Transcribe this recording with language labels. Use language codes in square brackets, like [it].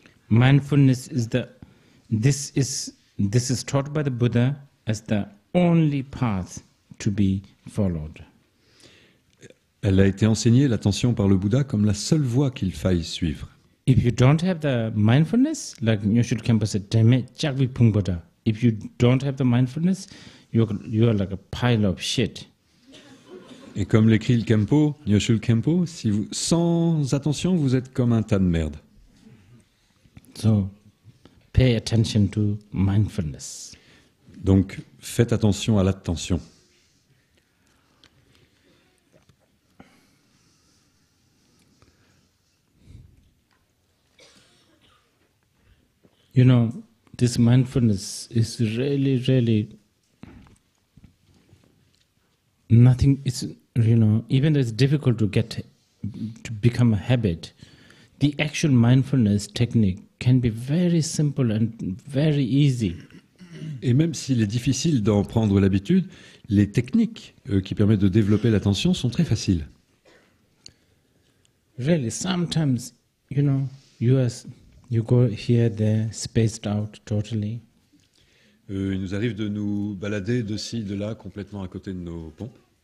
[en] Mindfulness is the this is taught by the Buddha as the only path to be followed. [fr] Elle a été enseignée l'attention par le Bouddha comme la seule voie qu'il faille suivre. [en] If you don't have the mindfulness, like Nyoshu Kempa said, [bo] "Dame chakvi pung Buddha." [en] If you don't have the mindfulness, you are like a pile of shit. [fr] Et comme l'écrit le Kempo, Nyoshul Kempo, si vous, sans attention, vous êtes comme un tas de merde. [en] So, pay attention to mindfulness. [fr] Donc, faites attention à l'attention. [en] You know, this mindfulness is really, really nothing. It's, you know, even though it's difficult to get to become a habit, the actual mindfulness technique can be very simple and very easy. [fr] Et même s'il est difficile d'en prendre l'habitude, les techniques qui permettent de développer l'attention sont très faciles. [en] Really, sometimes, you know, you go here, there, spaced out totally. [fr] Il nous arrive de nous balader de ci, de là, complètement à côté de nos pompes.